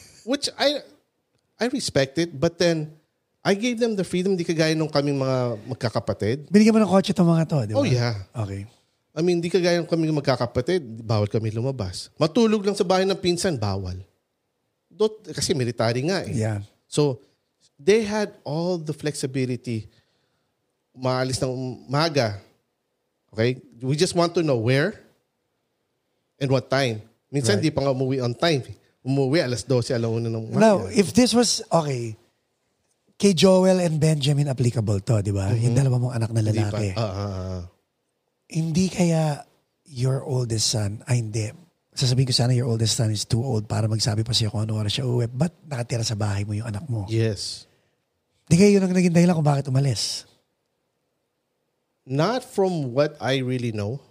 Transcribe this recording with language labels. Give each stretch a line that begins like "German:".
English: Which I respect it, but then I gave them the freedom,
Filipino: di kagaya nung kaming mga magkakapatid. Binigyan mo ng kotse itong mga to, di ba?
English: Oh, yeah. Okay. I mean,
Filipino: di kagaya nung kaming magkakapatid, bawal kami lumabas. Matulog lang sa bahay ng pinsan, bawal. Kasi military nga eh.
English: Yeah. So, they had all the flexibility.
Filipino: Maalis ng umaga.
English: Okay? We just want to know where and what time. Minsan, right.
Filipino: Di pa nga umuwi
English: on time.
Filipino: Umuwi alas 12, alas 1 ng umaga.
English: Now, if this was, okay, kay Joel and Benjamin applicable to,
Filipino: di ba?
English: Mm-hmm.
Filipino: Yung dalawa mong anak na lalaki. Hindi kaya
English: your oldest son,
Filipino: ay hindi. Sasabihin ko sana
English: your oldest son is too old
Filipino: para magsabi pa siya kung ano oras siya uwi. Ba't nakatira sa bahay mo yung anak mo?
English: Yes.
Filipino: Di kaya yun ang naging dahilan kung bakit umalis?
English: Not from what I really know.